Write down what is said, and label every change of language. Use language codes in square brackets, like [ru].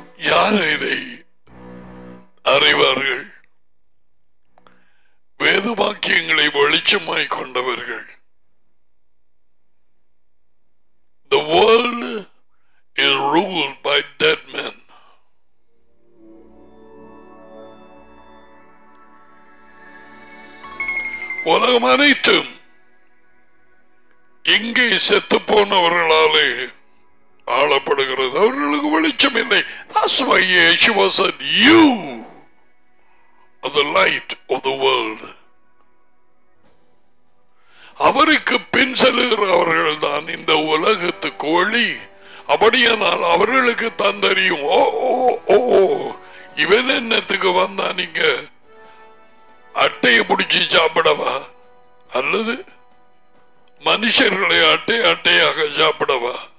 [ta] யார் இதை அறிவார்கள்? வேத வாக்கியங்களை வெளிச்சமாய் கொண்டவர்கள். [en] The world is ruled by dead men. [ta] உலகம் அனைத்தும் இங்கே செத்துப்போனவர்களாலே ஆளப்படுகிறது. அவர்களுக்கு வெளிச்சம் இல்லை. [en] That's why Yeshua said, you are the light of the world. [ta] அவருக்கு பின் செல்லுகிறவர்கள் தான் இந்த உலகத்துக்கு ஒளி. அப்படியானால் அவர்களுக்கு தான் தெரியும், ஓ இவன் என்னத்துக்கு வந்தா, நீங்க அட்டையை பிடிச்சி சாப்பிடவா அல்லது மனுஷர்களை அட்டை அட்டையாக சாப்பிடவா?